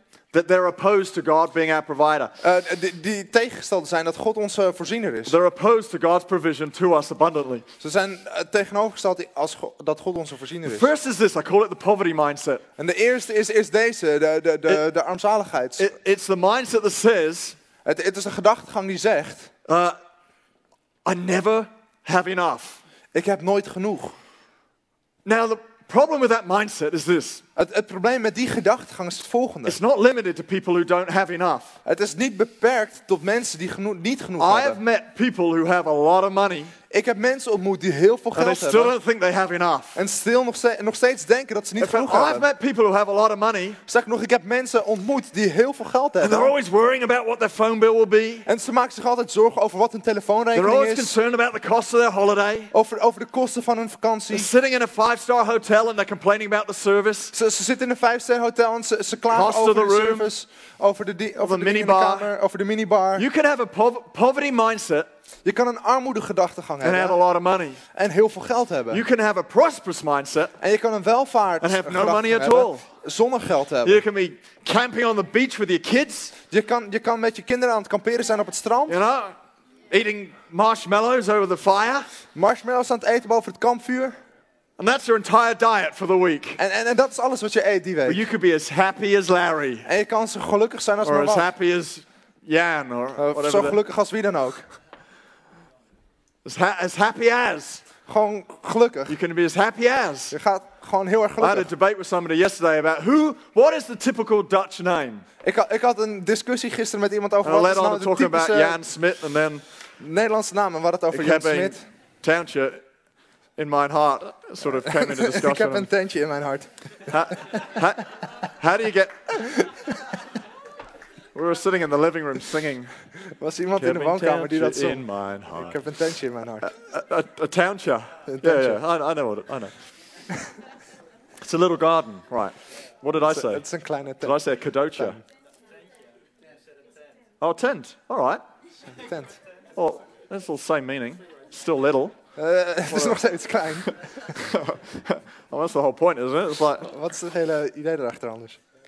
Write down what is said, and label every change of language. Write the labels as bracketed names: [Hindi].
[English] That they're opposed to God being our provider. [Dutch] Die tegengesteld zijn dat God onze voorziener is. [English] They're opposed to God's provision to us abundantly. [Dutch] Ze zijn tegenovergesteld als dat God onze voorziener is. [English] The first is this, I call it the poverty mindset. [Dutch] En de eerste is deze, de armzaligheid. [English] It's the mindset that says. [Dutch] Het is een gedachtegang die zegt. [English] I never have enough. [Dutch] Ik heb nooit genoeg. [English] Now the problem with that mindset is this. [Dutch] Het probleem met die gedachtegang is het volgende. [English] It's not limited to people who don't have enough. [Dutch] Het is niet beperkt tot mensen die niet genoeg [English] I [Dutch] hebben. [English] I have met people who have a lot of money. [Dutch] Ik heb mensen ontmoet die heel veel geld hebben. [English] They still don't think they have enough. [Dutch] En stil nog steeds denken dat ze niet genoeg hebben. [English] I've met people who have a lot of money. [Dutch] Zeg nog, ik heb mensen ontmoet die heel veel geld hebben. [English] And they're always worrying about what their phone bill will be. [Dutch] En ze maken zich altijd zorgen over wat hun telefoonrekening is. [English] They're always concerned about the cost of their holiday. [Dutch] Over de kosten van hun vakantie. [English] They're sitting in a 5-star hotel and they're complaining about the service. [Dutch] Ze zitten in een 5-ster hotel en ze klagen over de service, over de minibar. [English] You can have a poverty mindset. [Dutch] Je kan een armoede gedachtegang hebben. [English] And have a lot of money. [Dutch] En heel veel geld hebben. [English] You can have a prosperous mindset. [Dutch] En je kan een welvaart [English] and have no money [Dutch] hebben, [English] at all. [Dutch] Zonder geld hebben. [English] You can be camping on the beach with your kids. [Dutch] Je kan met je kinderen aan het kamperen zijn op het strand. [English] You know, eating marshmallows over the fire. [Dutch] Marshmallows aan het eten boven het kampvuur. [English] And that's your entire diet for the week. [Dutch] En dat is alles wat je eet die week. [English] But you could be as happy as Larry. [Dutch] En je kan zo gelukkig zijn als [English] or [Dutch] maar [English] as happy as Jan. Or whatever [Dutch] zo gelukkig als wie dan ook. [English] As happy as. [Dutch] Gewoon gelukkig. [English] You can be as happy as. [Dutch] Je gaat gewoon heel erg gelukkig. [English] I had a debate with somebody yesterday about what is the typical Dutch name? [Dutch] Ik had een discussie gisteren met iemand over wat is nou de typische... [English] About Jan Smit and then [Dutch] Nederlandse naam en wat het over Jan Smit. [English] Tantje. In my heart, sort of came into discussion. [Dutch] Ik heb een tentje in mijn hart. [English] How do you get? We were sitting in the living room singing. [Dutch] Was iemand in de woonkamer die dat zong? [English] In my heart. [Dutch] Ik heb een tentje in mijn hart. [English] A tentje. Yeah. I know. It's a little garden, right? What did I say? It's a [Dutch] kleine tent. [English] Did I say a kadocha? Oh, tent. All right. Tent. Oh, that's all the same meaning. Still little. [Dutch] Het is nog steeds klein. [English] Well, that's the whole point, isn't it? It's like, [Dutch] wat is het hele idee erachter anders?